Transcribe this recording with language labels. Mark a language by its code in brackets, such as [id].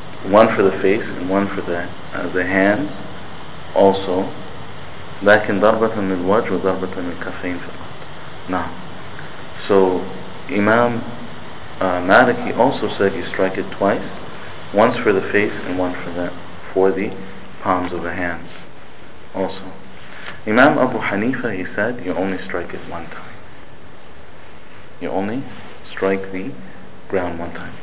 [en] one for the face and one for the hands also. [ar] لكن ضربة من الوجه وضربة من الكفين فقط. نعم. [en] So Imam Maliki also said you strike it twice, once for the face and one for the palms of the hands also. Imam Abu Hanifa, he said you only strike it one time. You only strike the ground one time.